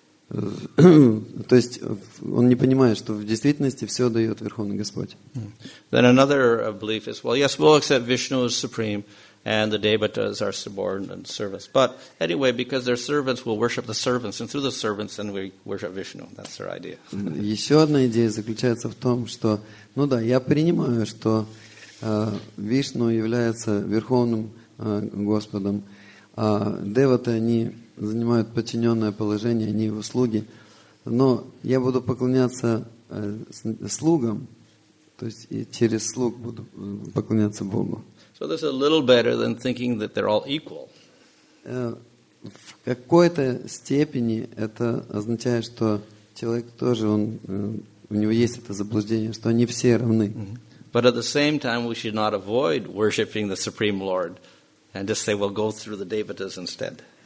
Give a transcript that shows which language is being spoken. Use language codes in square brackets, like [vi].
[ru] То есть он не понимает, что в действительности все дает Верховный Господь. [en] Then another belief is, well, yes, we'll accept Vishnu as supreme, and the devatas are subordinate servants. But anyway, because they're servants, we'll worship the servants, and through the servants, then we worship Vishnu. That's their idea. [ru] Еще одна идея заключается в том, что, ну да, я принимаю, что Вишну является Верховным Господом, а деваты, они занимают подчиненное положение, они его слуги. Но я буду поклоняться слугам, то есть и через слуг буду поклоняться Богу. [en] So this is a little better than thinking that they're all equal. [ru] В какой-то степени это означает, что человек тоже, он, у него есть это заблуждение, что они все равны. [en] But at the same time, we should not avoid worshiping the Supreme Lord and just say, well, go through the devatas instead.